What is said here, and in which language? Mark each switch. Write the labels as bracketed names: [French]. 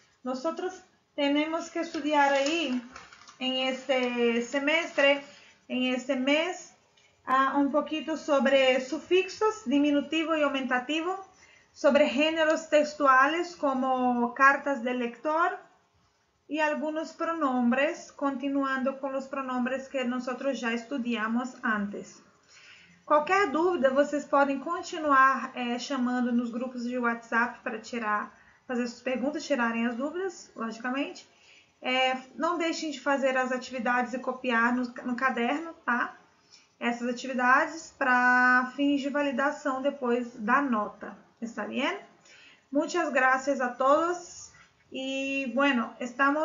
[Spanish] Nosotros tenemos que estudiar ahí en este semestre, en este mes, un poquito sobre sufixos, diminutivo y aumentativo, sobre géneros textuales como cartas del lector y algunos pronombres, continuando con los pronombres que nosotros ya estudiamos antes. Cualquier duda, ustedes pueden continuar llamando en los grupos de WhatsApp para hacer sus preguntas, tirarem las dudas, lógicamente. [Portuguese] Não deixem de fazer as atividades e copiar no caderno, tá? Essas atividades para fins de validação depois da nota. [Spanish] Está bien? Muchas gracias a todos y bueno, estamos listos como siempre para ustedes.